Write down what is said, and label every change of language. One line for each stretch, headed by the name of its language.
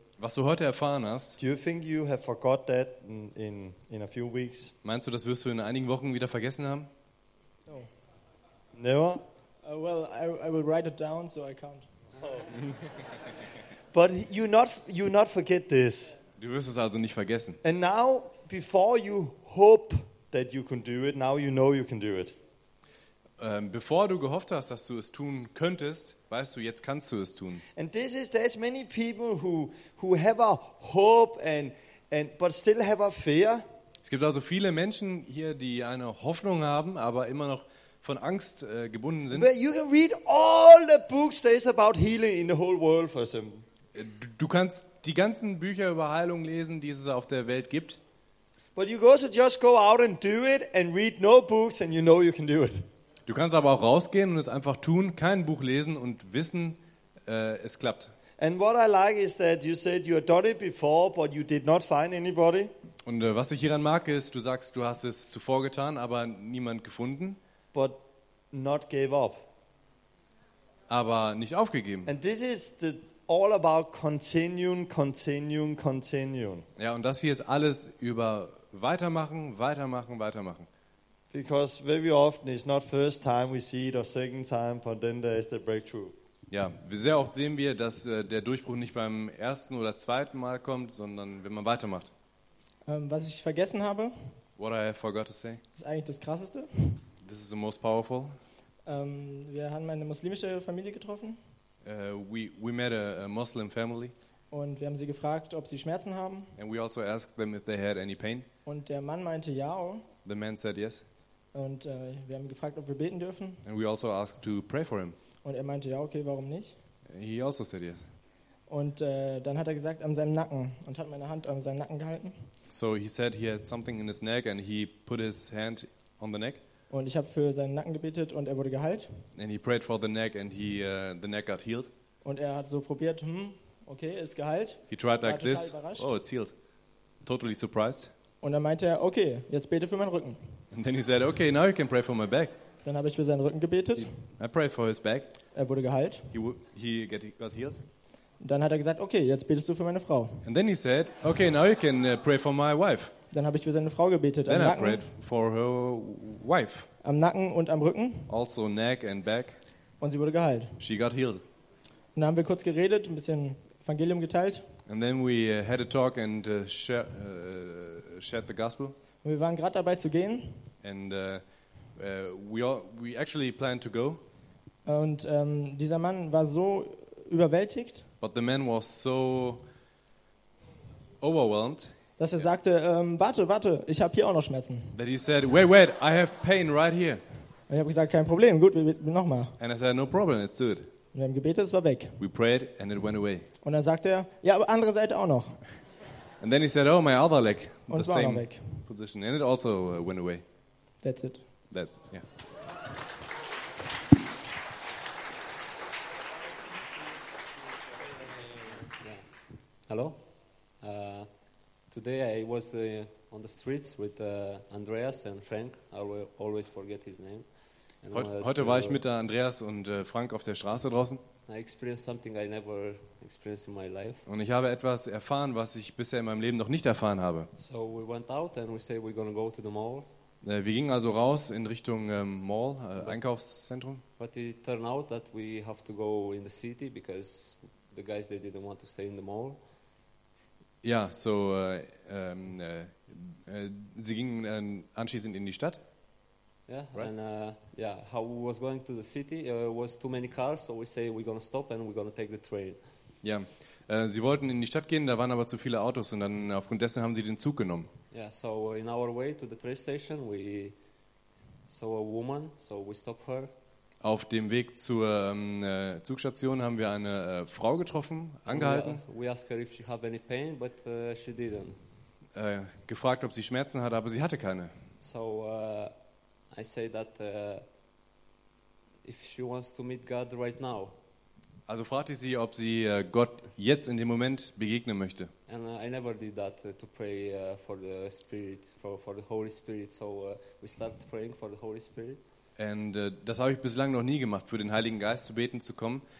German: Was du heute erfahren hast?
English: Do you think you have forgot that in a few weeks?
German: Meinst du, das wirst du in einigen Wochen wieder vergessen haben?
English: No. Never. Well, I will write it down so I can't. But you not forget this.
German: Du wirst es also nicht vergessen.
English: And now, before you hope that you can do it, now you know you can do it.
German: Bevor du gehofft hast, dass du es tun könntest, weißt du, jetzt kannst du es tun.
English: And this is there's many people who have a hope and but still have a fear.
German: Es gibt also viele Menschen hier, die eine Hoffnung haben, aber immer noch von Angst gebunden sind.
English: But you can read all the books there is about healing in the whole world for some.
German: Du kannst die ganzen Bücher über Heilung lesen, die es auf der Welt gibt.
English: But you also just go out and do it and read no books and you know you can do it.
German: Du kannst aber auch rausgehen und es einfach tun, kein Buch lesen und wissen, es klappt.
English: And what I like is that you said you had done it before, but you did not find anybody.
German: Und was ich hieran mag, ist, du sagst, du hast es zuvor getan, aber niemand gefunden.
English: But not gave up.
German: Aber nicht aufgegeben.
English: And this is the all about continuing, continuing, continuing.
German: Ja, und das hier ist alles über weitermachen, weitermachen, weitermachen.
English: Because very often it's not first time we see it or second time, but then there is the breakthrough.
German: Ja, sehr oft sehen wir, dass der Durchbruch nicht beim ersten oder zweiten Mal kommt, sondern wenn man weitermacht. Was ich vergessen habe.
English: What I forgot to say.
German: Ist eigentlich das Krasseste.
English: This is the most powerful.
German: Wir haben eine muslimische Familie getroffen.
English: We met a Muslim family.
German: Und wir haben sie gefragt, ob sie Schmerzen haben.
English: And we also asked them if they had any pain.
German: Und der Mann meinte ja.
English: The man said yes.
German: Und wir haben gefragt, ob wir beten dürfen.
English: And we also asked to pray for him.
German: Und er meinte ja, okay, warum nicht?
English: He also said yes.
German: Und dann hat er gesagt, an seinem Nacken und hat meine Hand an seinem Nacken gehalten.
English: So he said he had something in his neck and he put his hand on the neck.
German: Und ich habe für seinen Nacken gebetet und er wurde geheilt.
English: And he prayed for the neck and the neck got healed.
German: Und er hat so probiert, okay, ist geheilt.
English: He tried like this. Überrascht. Oh, it's healed. Totally surprised.
German: Und dann meinte er, okay, jetzt bete für meinen Rücken.
English: And then he said, okay, now you can pray for my back.
German: Dann habe ich für seinen Rücken gebetet.
English: I prayed for his back.
German: Er wurde geheilt.
English: He got healed.
German: Dann hat er gesagt, okay, jetzt betest du für meine Frau.
English: And then he said, okay, now you can pray for my wife.
German: Dann habe ich für seine Frau gebetet.
English: Then
German: am Nacken.
English: I prayed for her wife.
German: Am Nacken und am Rücken.
English: Also neck and back.
German: Und sie wurde geheilt.
English: She got healed.
German: Und dann haben wir kurz geredet, ein bisschen Evangelium geteilt.
English: And then we had a talk and shared the gospel.
German: Wir waren gerade dabei zu gehen.
English: And we actually planned to go.
German: Und dieser Mann war so überwältigt.
English: But the man was so overwhelmed.
German: Dass er sagte, warte, ich habe hier auch noch Schmerzen.
English: That he said, wait, I have pain right here.
German: Und ich habe gesagt, kein Problem, gut, nochmal.
English: And I said, no problem, let's do it.
German: Wir haben gebetet, es war weg.
English: We prayed and it went away.
German: Und dann sagte er, ja, aber andere Seite auch noch.
English: And then he said, oh, my other leg.
German: Und
English: the same
German: weg.
English: Position. And it also went away. That's it. That, yeah. Hello. Today I was on the streets with Andreas and Frank. I will always forget his name.
German: Heute war ich mit Andreas und Frank auf der Straße draußen.
English: I experienced something I never experienced in my life.
German: Und ich habe etwas erfahren, was ich bisher in meinem Leben noch nicht erfahren habe.
English: So we went out and we said we're gonna go to the mall.
German: Wir gingen also raus in Richtung Mall, Einkaufszentrum.
English: But it turned out that we have to go in the city because the guys they didn't want to stay in the mall.
German: Yeah, so sie gingen anschließend in die Stadt.
English: Yeah, right? And how we was going to the city, was too many cars, so we say we're gonna stop and we're gonna take the train.
German: Yeah, sie wollten in die Stadt gehen, da waren aber zu viele Autos und dann aufgrund dessen haben sie den Zug genommen.
English: Yeah, so in our way to the train station, we saw a woman, so we stopped her.
German: Auf dem Weg zur Zugstation haben wir eine Frau getroffen, angehalten.
English: We asked her if she had any pain, but she didn't.
German: Gefragt, ob sie Schmerzen hatte, aber sie hatte keine.
English: So I say that if she wants to meet God right now.
German: Also fragte ich sie, ob sie Gott jetzt in dem Moment begegnen möchte.
English: And I never did that to pray for the Spirit, for the Holy Spirit. So we started praying for the Holy Spirit.
German: Und das habe ich bislang noch nie gemacht, für den Heiligen Geist zu beten zu kommen.